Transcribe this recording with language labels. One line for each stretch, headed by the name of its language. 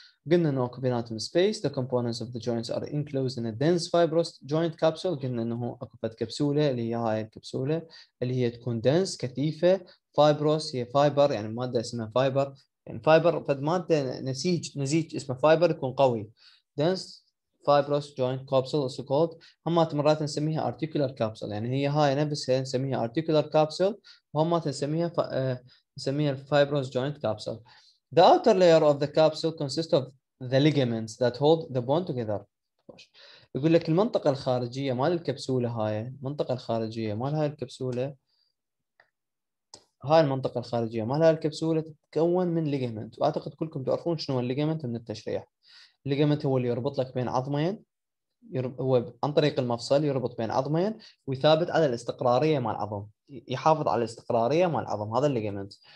Arabic: قلنا انه اكو بيناتهم
English: space، the components of the joints are enclosed in a dense fibrous joint capsule.
Arabic: قلنا انه اكو كبسوله اللي هي هاي الكبسوله اللي هي تكون dense كثيفه، fibrous هي fiber يعني ماده اسمها fiber، يعني fiber فد ماده نسيج، نسيج اسمه fiber يكون قوي.
English: dense fibrous joint capsule also called،
Arabic: هم مرات نسميها articular capsule، يعني هي هاي نفسها نسميها articular capsule، وهم نسميها نسميها fibrous joint capsule.
English: The outer layer of the capsule consists of the ligaments that hold the bone together.
Arabic: يقول لك المنطقة الخارجية مال الكبسولة هاي، المنطقة الخارجية مال هاي الكبسولة، هاي المنطقة الخارجية مال هاي الكبسولة تتكون من ligament، وأعتقد كلكم تعرفون شنو هو الليجمنت من التشريح. الليجمنت هو اللي يربط لك بين عظمين، هو عن طريق المفصل يربط بين عظمين ويثابت على الاستقرارية مال العظم، يحافظ على الاستقرارية مال العظم، هذا الليجمنت.